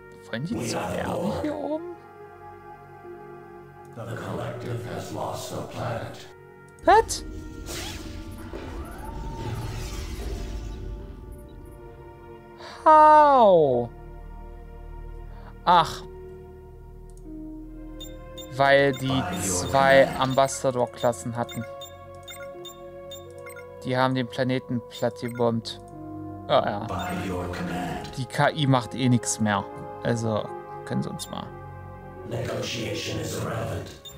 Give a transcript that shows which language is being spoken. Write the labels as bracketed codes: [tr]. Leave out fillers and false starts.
[de] Wollen die zu Erde hier oben? [en] The collective has lost the planet. What? How? Ach. [de] Weil die zwei Ambassador-Klassen hatten. Die haben den Planeten platt gebombt. Oh ja. Die KI macht eh nichts mehr. Also können sie uns mal. [en] Negotiation is irrelevant.